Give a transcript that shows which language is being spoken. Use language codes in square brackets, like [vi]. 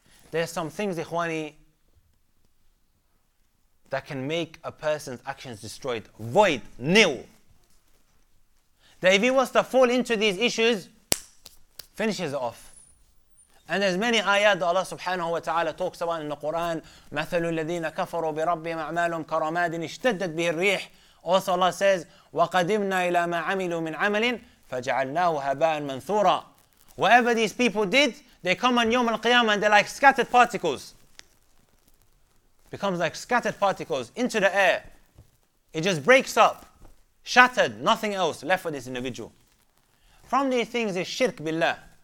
[en] There's some things, Ikhwani, that can make a person's actions destroyed. Void. Nil. That if he wants to fall into these issues, finishes it off. And there's many ayat that Allah subhanahu wa ta'ala talks about in the Quran. [ar] مَثَلُ الَّذِينَ كَفَرُوا بِرَبِّهِمْ أَعْمَالُهُمْ كَرَمَادٍ اشْتَدَّتْ بِهِ الرِّيحِ. [en] Also Allah says, [ar] وَقَدِمْنَا إِلَى مَا عَمِلُوا مِنْ عَمَلٍ فَجَعَلْنَاهُ هَبَاءً مَنْثُورًا. [en] Whatever these people did, they come on Yawm Al-Qiyamah and they're like scattered particles. Becomes like scattered particles into the air. It just breaks up. Shattered. Nothing else left for this individual. From these things is shirk billah.